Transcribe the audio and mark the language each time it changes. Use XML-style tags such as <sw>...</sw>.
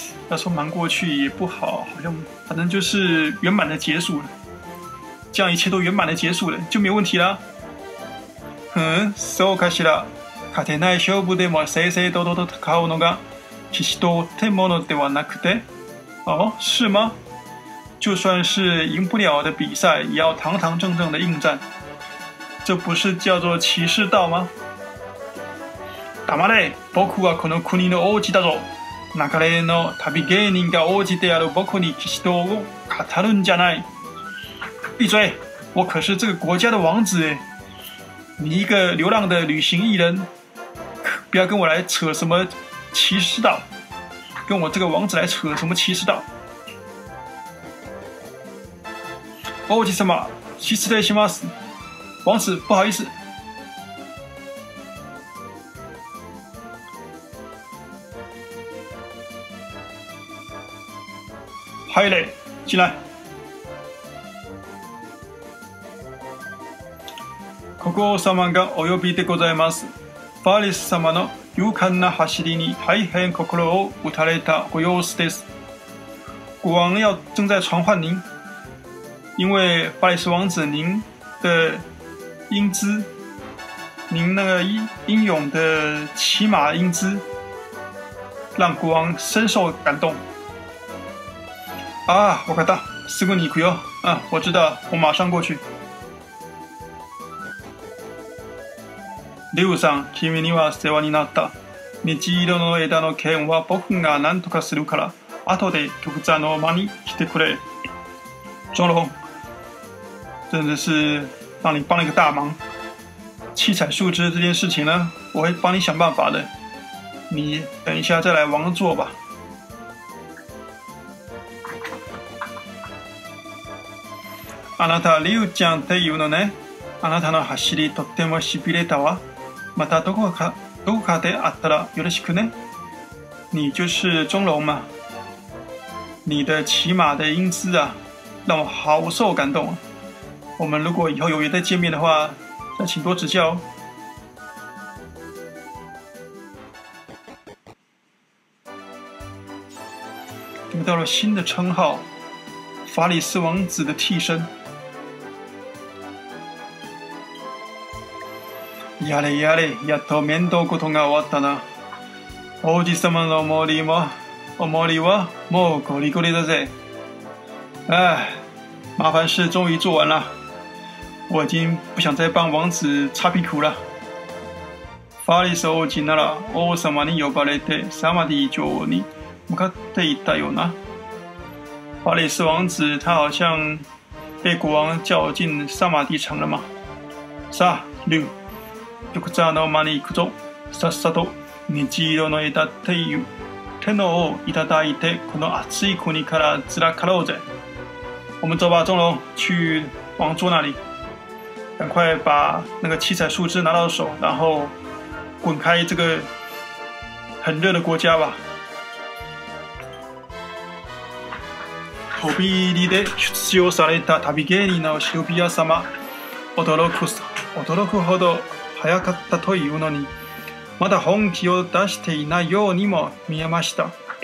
<zh>要说瞒过去也不好，好像反正就是圆满的结束了，这样一切都圆满的结束了，就没问题了。</zh> <ja>嗯，そうかしら。勝てない勝負でも正々堂々と戦うのが騎士道ってものではなくて。</ja> <zh>哦，是吗？就算是赢不了的比赛，也要堂堂正正的应战，这不是叫做骑士道吗？</zh> <ja>黙れ、僕はこの国の王子だぞ。流れの旅芸人が王子である僕に騎士道を語るんじゃない。</ja> <zh>闭嘴，我可是这个国家的王子，你一个流浪的旅行艺人，不要跟我来扯什么骑士道，跟我这个王子来扯什么骑士道。</zh> <ja>王子様、失礼します。</ja> <zh>王子，不好意思。</zh> <ja>はい</ja> <zh>嘞，进来。</zh> <ja>国王様がお呼びでございます。ファリス様の勇敢な走りに大変心を打たれたご様子です。</ja> <zh>国王要正在传唤您，因为ファリス王子您的英姿，您那个英勇的骑马英姿让国王深受感动。啊，我看到，斯库尼库哟，啊，我知道，我马上过去。</zh> <ja>リュウさん、君には世話になった。虹色の枝の剣は僕が何とかするから、後で局長の間に来てくれ。</ja> <zh>庄龙，真的是让你帮了一个大忙。七彩树枝这件事情呢，我会帮你想办法的。你等一下再来王座吧。</zh> <ja>あなた、リュウちゃんっていうのね。あなたの走りとってもしびれたわ。またどこかで会ったらよろしくね。</ja> <zh>你就是钟楼吗？你的骑马的英姿啊，让我好受感动。我们如果以后有缘再见面的话，再请多指教哦。得到了新的称号，法里斯王子的替身。</zh> <ja>やれやれ、やっと面倒事が終わったな。王子様のお守りはもうゴリゴリだぜ。</ja> <zh>唉，麻烦事终于做完了，我已经不想再帮王子擦屁股了。</zh> <ja>ファリス王子なら王様に呼ばれてサマディ女王に向かっていたよな。</ja> <zh>ファリス王子他好像被国王叫进萨马迪城了嘛。</zh> <ja>さあ、リュウ。ドクターの間に行くぞ。さっさと虹色の枝という手のをいただいて、この暑い国からずらかろうぜ。</ja> <zh>我们走吧，钟龙，去王座那里，赶快把那个七彩树枝拿到手，然后滚开这个很热的国家吧。</zh> <ja>飛び入りで出場された旅芸人のシルビア様、驚くほど早かったというのに、まだ本気を出していないようにも見えました。</ja>